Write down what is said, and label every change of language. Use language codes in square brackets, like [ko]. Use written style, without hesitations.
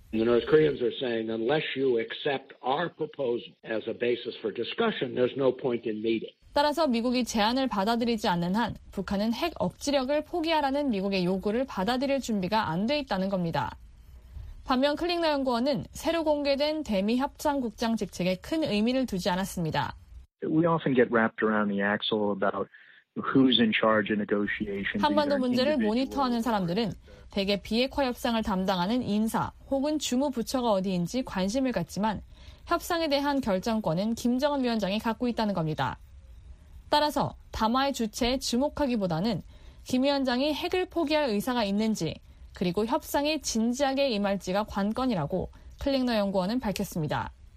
[en] The North Koreans are saying unless you accept our proposal as a basis for discussion, there's no point in meeting. [ko] 따라서 미국이 제안을 받아들이지 않는 한 북한은 핵 억지력을 포기하라는 미국의 요구를 받아들일 준비가 안 돼 있다는 겁니다. 반면 클링너 연구원은 새로 공개된 대미 협상 국장 직책에 큰 의미를 두지 않았습니다. [en] We often get wrapped around the axle about who's in charge of negotiations. [ko] 한반도 문제를 모니터하는 사람들은 대개 비핵화 협상을 담당하는 인사 혹은 주무 부처가 어디인지 관심을 갖지만 협상에 대한 결정권은 김정은 위원장이 갖고 있다는 겁니다. 따라서 담화의 주체에 주목하기보다는 김 위원장이 핵을 포기할 의사가 있는지 그리고 협상에 진지하게 임할지가 관건이라고 클링너 연구원은 밝혔습니다.